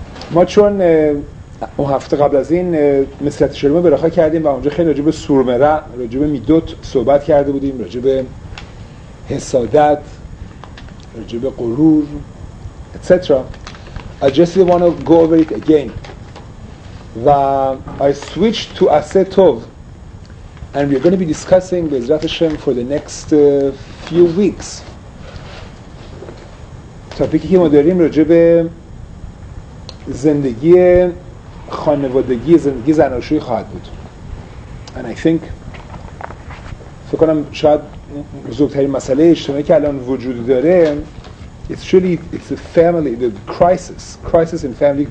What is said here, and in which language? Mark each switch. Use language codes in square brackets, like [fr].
[fa] ما چون اون هفته قبل از این مسلط شلومه براخا کردیم و اونجا خیلی رجوع به سورمره، رجوع به میدوت صحبت کرده بودیم، رجوع به حسادت، رجوع به غرور etc. [en] I just want to go over it again و I switched to Aseh Tov and we're going to be discussing Bezrat Hashem for the next few weeks. [fa] تاپیکی که ما داریم رجوع به زندگی خانوادگی، زندگی زناشویی خواهد بود. [en] And I think [fa] فکر کنم شاید بزرگترین مسئله اجتماعی که الان وجود داره [en] it's a family, the crisis in family.